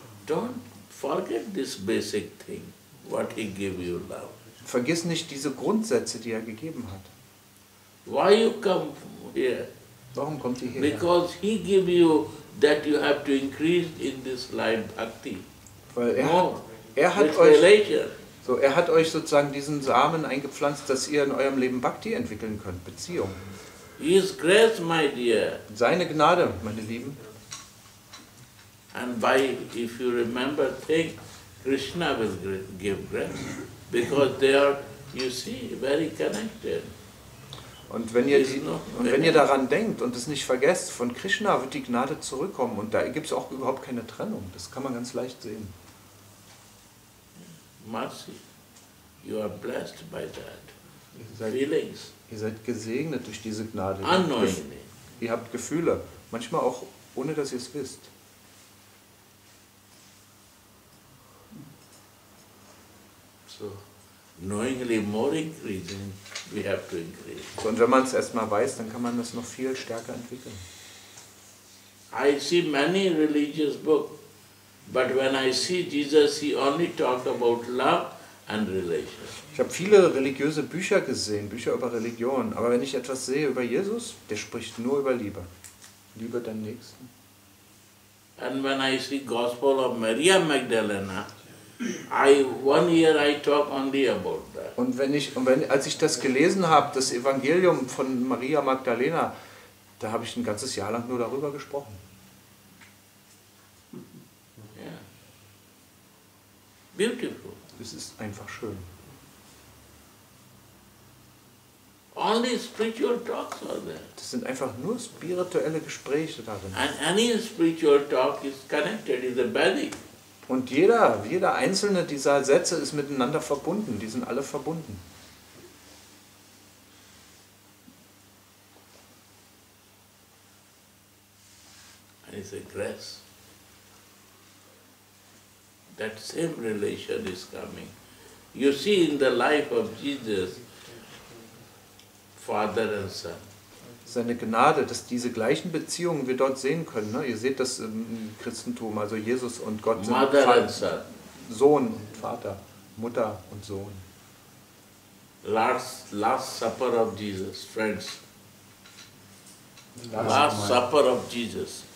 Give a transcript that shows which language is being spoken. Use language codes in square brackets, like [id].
[en] Don't forget this basic thing, what he gave you love. [de] Vergiss nicht diese Grundsätze, die er gegeben hat. [en] Why you come here? [de] Warum kommt ihr hierher? [en] Because he gave you that you have to increase in this life bhakti. [de] Weil er hat euch sozusagen diesen Samen eingepflanzt, dass ihr in eurem Leben Bhakti entwickeln könnt, Beziehung. [en] His grace, my dear. [de] Seine Gnade, meine Lieben. [en] And why, if you remember, think Krishna will give grace, because they are, you see, very connected. [de] Und wenn ihr, wenn ihr daran denkt und es nicht vergesst, von Krishna wird die Gnade zurückkommen und da gibt es auch überhaupt keine Trennung. Das kann man ganz leicht sehen. [en] Mercy. You are blessed by that. Feelings. [de] Ihr seid gesegnet durch diese Gnade. [en] Unknowingly. [de] Ihr habt Gefühle, manchmal auch ohne, dass ihr es wisst. [en] So, knowingly more increasing, we have to increase. [de] So, und wenn man es erstmal weiß, dann kann man das noch viel stärker entwickeln. [en] I see many religious books, but when I see Jesus, he only talked about love and relation. [de] Ich habe viele religiöse Bücher gesehen, Bücher über Religion, aber wenn ich etwas sehe über Jesus, der spricht nur über Liebe. Liebe deinen Nächsten. [en] And when I see Gospel of Maria Magdalena, one year I talk only about that. [de] Als ich das gelesen habe, das Evangelium von Maria Magdalena, da habe ich ein ganzes Jahr lang nur darüber gesprochen. [en] Yeah. Beautiful. [de] Es ist einfach schön. [en] Only spiritual talks are there. [de] Das sind einfach nur spirituelle Gespräche darin. [en] And any spiritual talk is connected, is a belly. [de] Und jeder einzelne dieser Sätze ist miteinander verbunden. Die sind alle verbunden. [en] And it's a grace. That same relation is coming. You see in the life of Jesus, Father and Son. [de] Seine Gnade, dass diese gleichen Beziehungen wir dort sehen können. Ne? Ihr seht das im Christentum, also Jesus und Gott sind [en] Mother and Son. [de] Sohn und Vater, Mutter und Sohn. [en] Last Supper of Jesus, friends. Last Supper of Jesus.